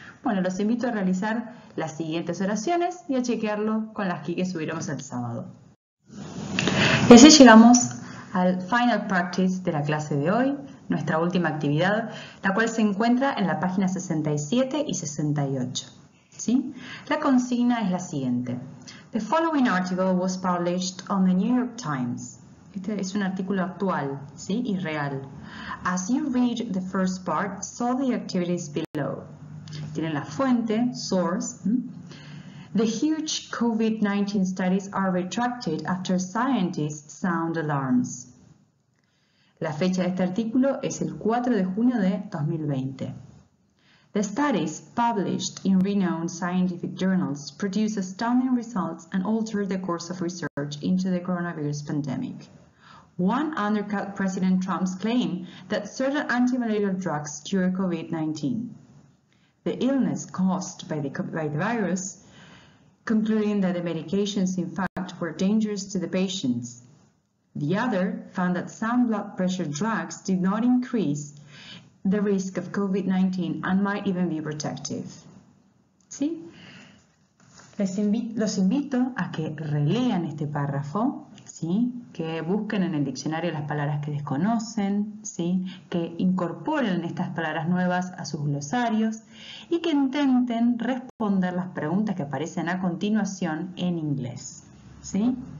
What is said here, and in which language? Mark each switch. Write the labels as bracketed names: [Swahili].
[Spanish] Bueno, los invito a realizar las siguientes oraciones y a chequearlo con las que subiremos el sábado. Y así llegamos al final practice de la clase de hoy, nuestra última actividad, la cual se encuentra en la página 67 y 68. ¿Sí? La consigna es la siguiente. [English] The following article was published on the New York Times. [Spanish] Este es un artículo actual, ¿sí? Y real. [English] As you read the first part, saw the activities below. [Spanish] Tienen la fuente, [English] source. The huge COVID-19 studies are retracted after scientists sound alarms. [Spanish] La fecha de este artículo es el 4 de junio de 2020. [English] The studies published in renowned scientific journals produce astounding results and alter the course of research into the coronavirus pandemic. One undercut President Trump's claim that certain antimalarial drugs cure COVID-19. The illness caused by the virus, concluding that the medications in fact were dangerous to the patients. The other found that some blood pressure drugs did not increase the risk of COVID-19 and might even be protective. [Spanish] ¿Sí? Los invito a que relean este párrafo, ¿sí? Que busquen en el diccionario las palabras que desconocen, ¿sí? Que incorporen estas palabras nuevas a sus glosarios y que intenten responder las preguntas que aparecen a continuación en inglés. ¿Sí?